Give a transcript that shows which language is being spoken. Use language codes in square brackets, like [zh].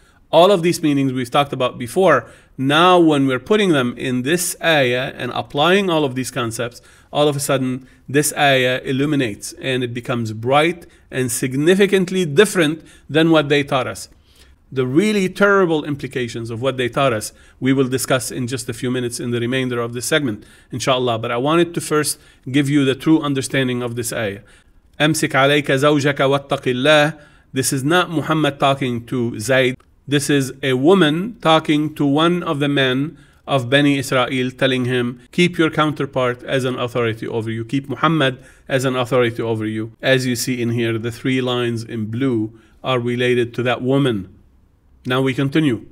[en] All of these meanings we've talked about before. Now when we're putting them in this ayah and applying all of these concepts, all of a sudden this ayah illuminates and it becomes bright and significantly different than what they taught us. The really terrible implications of what they taught us, we will discuss in just a few minutes in the remainder of this segment, inshallah. But I wanted to first give you the true understanding of this ayah. [ar] أمسك عليك زوجك واتق الله. [en] This is not Muhammad talking to Zayd. This is a woman talking to one of the men of Bani Israel, telling him, keep your counterpart as an authority over you. Keep Muhammad as an authority over you. As you see in here, the three lines in blue are related to that woman. Now we continue.